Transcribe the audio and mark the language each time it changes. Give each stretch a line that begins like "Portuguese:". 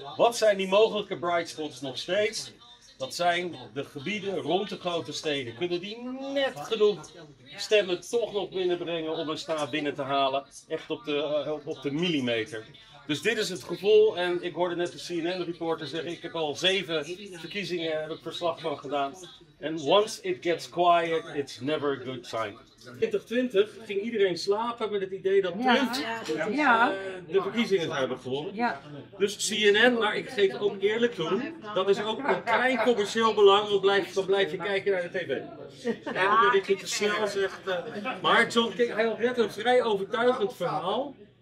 Dutch: Wat zijn die mogelijke bright spots nog steeds? Dat zijn de gebieden rond de grote steden. Kunnen die net genoeg stemmen toch nog binnenbrengen om een staat binnen te halen? Echt op de millimeter. Dus dit is het gevoel. En ik hoorde net de CNN-reporter zeggen, ik heb al 7 verkiezingen heb ik verslag van gedaan.
English: And once it gets quiet, it's never a good sign.
Dutch: 2020 ging iedereen slapen met het idee dat Trump de verkiezingen zou hebben gewonnen. Ja. Dus CNN, maar ik geef ook eerlijk toe, dat is ook een klein commercieel belang, dan blijf je kijken naar de tv. En dat ik te snel zeg. Maar John, hij had net een vrij overtuigend verhaal.